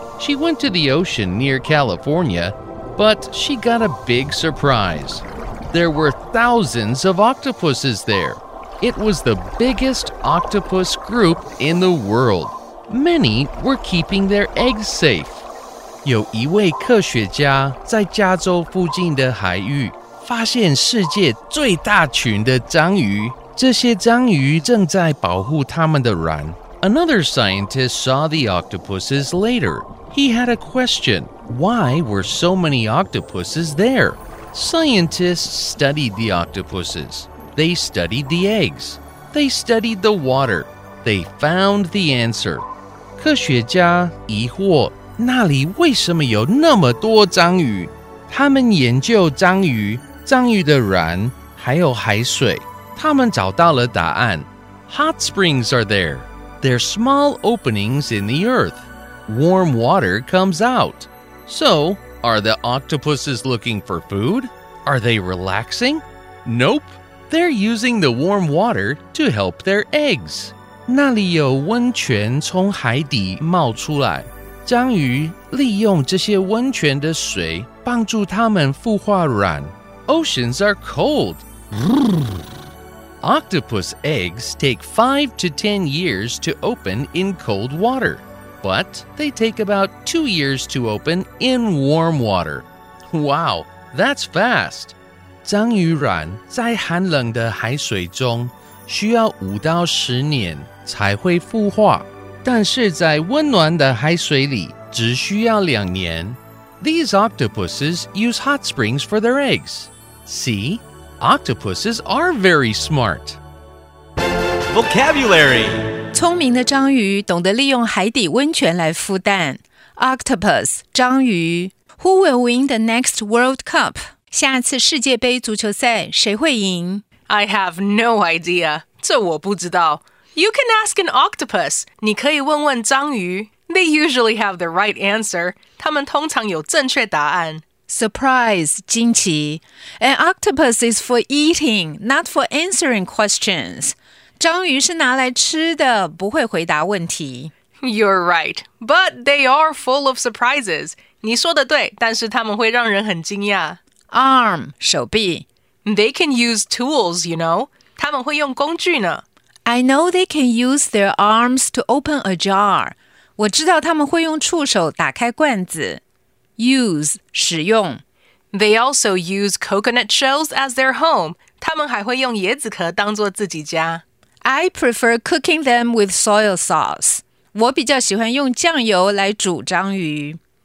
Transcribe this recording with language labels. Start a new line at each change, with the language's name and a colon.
English: She went to the ocean near California, but she got a big surprise. There were thousands of octopuses there. It was the biggest octopus group in the world. Many were keeping their eggs safe.
Chinese: 有一位科学家在加州附近的海域发现世界最大群的章鱼。这些章鱼正在保护他们的卵。
English: Another scientist saw the octopuses later. He had a question. Why were so many octopuses there? Scientists studied the octopuses. They studied the eggs. They studied the water. They found the answer.
Chinese: 科学家疑惑那里为什么有那么多章鱼？他们研究章鱼、章鱼的卵还有海水。他们找到了答案。
English: Hot springs are there. They're small openings in the earth. Warm water comes out. So, are the octopuses looking for food? Are they relaxing? Nope. They're using the warm water to help their eggs.
Chinese: 那里有温泉从海底冒出来。章鱼利用这些温泉的水帮助它们孵化卵。
English: Oceans are cold. Octopus eggs take 5 to 10 years to open in cold water. But they take about 2 years to open in warm water. Wow, that's fast!
Chinese: 章魚卵在寒冷的海水中需要五到十年才会孵化，但是在温暖的海水里只需要两年。
English: These octopuses use hot springs for their eggs. See? Octopuses are very smart. Vocabulary!
Chinese: 聪明的章鱼懂得利用海底温泉来孵蛋。
English: Octopus, 章鱼。Who will win the next World Cup?
Chinese: 下次世界杯足球赛谁会赢
English: ?I have no idea.
Chinese: 这我不知道。
English: You can ask an octopus.
Chinese: 你可以问问章鱼。
English: They usually have the right answer.
Chinese: 他们通常有正确答案。 Surprise, 惊奇。
English: An octopus is for eating, not for answering questions.
Chinese: 章鱼是拿来吃的，不会回答问题。
English: You're right, but they are full of surprises.
Chinese: 你说的对，但是他们会让人很惊讶。
English: Arm, 手臂。 They can use tools, you know.
Chinese: 他们会用工具呢。
English: I know they can use their arms to open a jar.
Chinese: 我知道他们会用触手打开罐子。
English: Use, 使用。 They also use coconut shells as their home.
Chinese: 他们还会用椰子壳当作自己家。
English: I prefer cooking them with soy sauce.
Chinese: 我比较喜欢用酱油来煮章鱼。